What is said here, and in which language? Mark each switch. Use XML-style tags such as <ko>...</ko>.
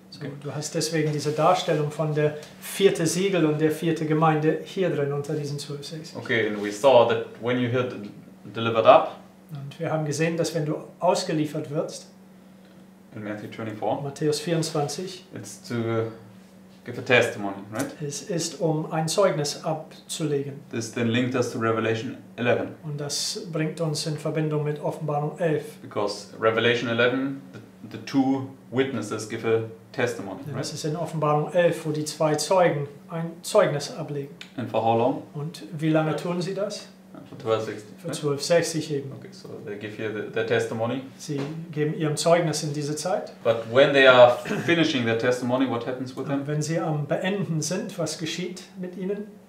<de>So, du hast deswegen diese Darstellung von der vierte Siegel und der vierte Gemeinde hier drin unter diesen 1260.</de> <en>Okay, and we saw that when you hear delivered up.</en> <de>Und wir haben gesehen, dass wenn du ausgeliefert wirst.</de> <en>In Matthew 24.</en> <de>Matthäus 24.</de> <en>It's to give a testimony, right?</en> <de>Es ist, um ein Zeugnis abzulegen.</de> <en>This then linked us to Revelation 11.</en> <de>Und das bringt uns in Verbindung mit Offenbarung 11.</de> <en>Because Revelation 11, the two witnesses give a testimony, right?</en> <de>Das ist in Offenbarung 11, wo die zwei Zeugen ein Zeugnis ablegen.</de> <en>And for how long?</en> <de>Und wie lange tun sie das? 1260 eben.</de> <en>Okay, so they give you their testimony.</en> <de>Sie geben ihrem Zeugnis in dieser Zeit.</de> <en>But when they are finishing their testimony, what happens with them?</en> <de>Wenn sie am Beenden sind, was geschieht mit ihnen?</de>